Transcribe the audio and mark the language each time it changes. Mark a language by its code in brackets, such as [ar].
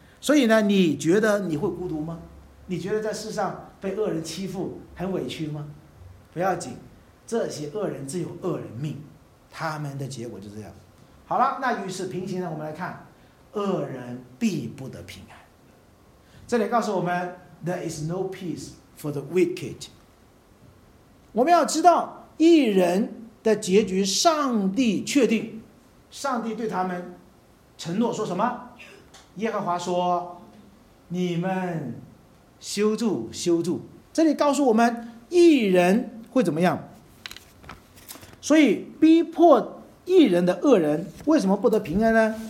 [zh] 所以呢，你觉得你会孤独吗？你觉得在世上被恶人欺负很委屈吗？不要紧，这些恶人自有恶人命，他们的结果就这样。好了，那与此平行呢，我们来看恶人必不得平安。这里告诉我们 [en] There is no peace for the wicked。 [zh] 我们要知道义人的结局上帝确定，上帝对他们承诺说什么？耶和华说，你们修筑修筑。这里告诉我们义人会怎么样。所以逼迫义人的恶人为什么不得平安呢？